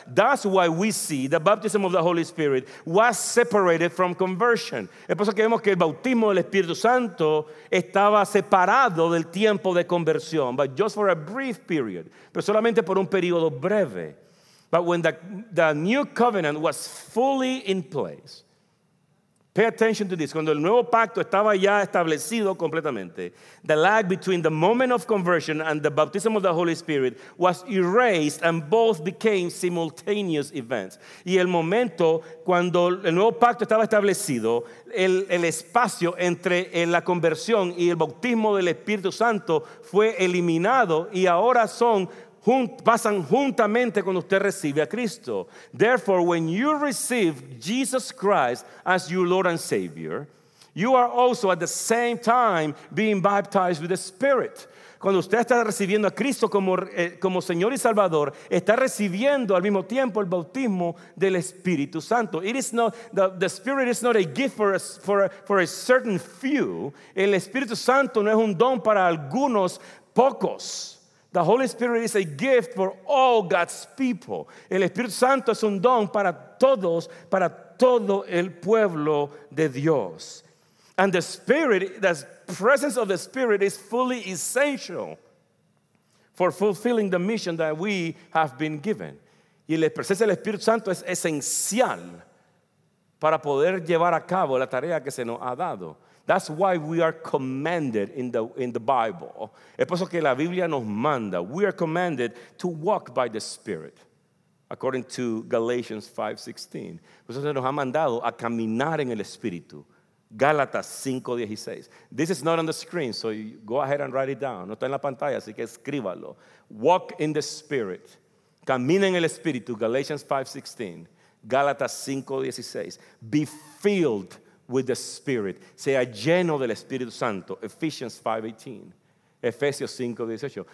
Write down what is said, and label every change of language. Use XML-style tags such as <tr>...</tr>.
<en>That's why we see the baptism of the Holy Spirit was separated from conversion.</en> <es>Es por eso que vemos que el bautismo del Espíritu Santo estaba separado del tiempo de conversión.</es> <en>But just for a brief period.</en> <es>Pero solamente por un periodo breve.</es> <en>But when the new covenant was fully in place, pay attention to this.</en> <es>Cuando el nuevo pacto estaba ya establecido completamente,</es> <en>the lag between the moment of conversion and the baptism of the Holy Spirit was erased and both became simultaneous events.</en> <es>Y el momento cuando el nuevo pacto estaba establecido, el espacio entre la conversión y el bautismo del Espíritu Santo fue eliminado y ahora son pasan juntamente cuando usted recibe a Cristo.</es> <en>Therefore, when you receive Jesus Christ as your Lord and Savior, you are also at the same time being baptized with the Spirit.</en> <es>Cuando usted está recibiendo a Cristo como Señor y Salvador, está recibiendo al mismo tiempo el bautismo del Espíritu Santo.</es> <en>It is not the Spirit is not a gift for a certain few.</en> <es>El Espíritu Santo no es un don para algunos pocos.</es> <en>The Holy Spirit is a gift for all God's people.</en> <es>El Espíritu Santo es un don para todos, para todo el pueblo de Dios.</es> <en>And the Spirit, the presence of the Spirit is fully essential for fulfilling the mission that we have been given.</en> <es>Y la presencia del Espíritu Santo es esencial para poder llevar a cabo la tarea que se nos ha dado.</es> <en>That's why we are commanded in the Bible.</en> <es>Es por eso que la Biblia nos manda.</es> <en>We are commanded to walk by the Spirit, according to Galatians 5:16.</en> <es>Por eso se nos ha mandado a caminar en el Espíritu. Gálatas 5:16.</es> <en>This is not on the screen, so you go ahead and write it down.</en> <es>No está en la pantalla, así que escríbalo.</es> <en>Walk in the Spirit.</en> <es>Camina en el Espíritu.</es> <en>Galatians 5:16. Gálatas 5:16. Be filled with the Spirit.</en> <es>Sea lleno del Espíritu Santo.</es> <en>Ephesians 5:18. Efesios 5:18.</en>